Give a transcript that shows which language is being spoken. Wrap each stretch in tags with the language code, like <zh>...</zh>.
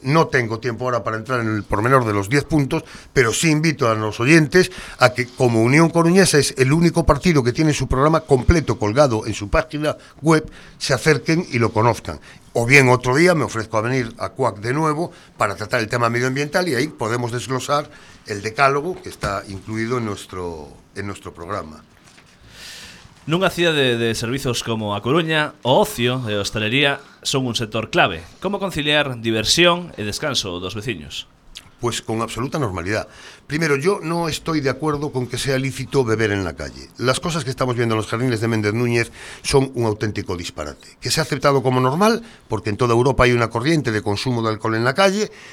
<es>No tengo tiempo ahora para entrar en el pormenor de los 10 puntos, pero sí invito a los oyentes a que, como Unión Coruñesa es el único partido que tiene su programa completo colgado en su página web, se acerquen y lo conozcan. O bien otro día me ofrezco a venir a CUAC de nuevo para tratar el tema medioambiental y ahí podemos desglosar el decálogo que está incluido en nuestro programa.</es> <gl>Nunha cidade de servizos como A Coruña, o ocio e a hostelería son un sector clave. Como conciliar diversión e descanso dos veciños?</gl> <es>Pues con absoluta normalidad. Primero, yo no estoy de acuerdo con que sea lícito beber en la calle. Las cosas que estamos viendo en los jardines de Méndez Núñez son un auténtico disparate. Que se ha aceptado como normal, porque en toda Europa hay una corriente de consumo de alcohol en la calle.</es>